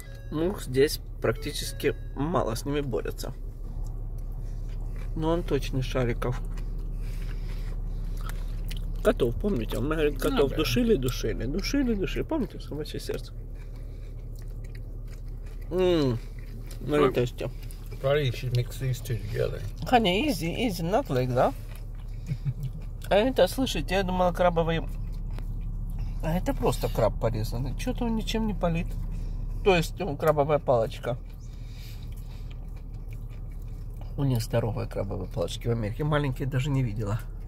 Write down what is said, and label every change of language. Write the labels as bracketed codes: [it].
[ru] Мух здесь практически мало, с ними борются. Но он точно Шариков. Котов, помните? Мы, говорит, котов душили. Помните, собачье сердце? Ну, это все. [en] Probably you should mix these two together. Honey, easy, not like that. [ru] А это, слышите, я думала, крабовый... А это просто краб порезанный. Что-то он ничем не палит. То есть, крабовая палочка. У нее здоровые крабовые палочки в Америке. Маленькие даже не видела.